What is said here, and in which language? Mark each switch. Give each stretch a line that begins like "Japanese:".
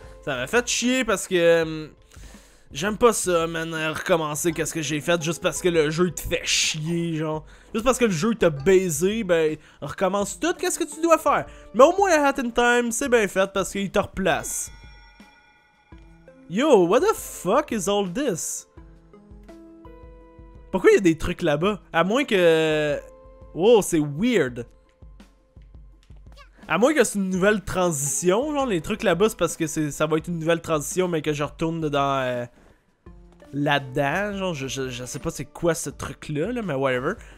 French: Ça m'a fait chier parce que j'aime pas ça, man, recommencer qu'est-ce que j'ai fait juste parce que le jeu te fait chier, genre. Juste parce que le jeu t'a baisé, ben, recommence tout qu'est-ce que tu dois faire. Mais au moins, Hat in Time, c'est bien fait parce qu'il te replace.
English: Yo, what the fuck is all this?
French: Pourquoi il y a des trucs là-bas? À moins que... Wow, c'est weird. À moins que c'est une nouvelle transition, genre, les trucs là-bas, c'est parce que c'est... ça va être une nouvelle transition, mais que je retourne dedans... là-dedans, genre, je sais pas c'est quoi ce truc-là, là, mais whatever.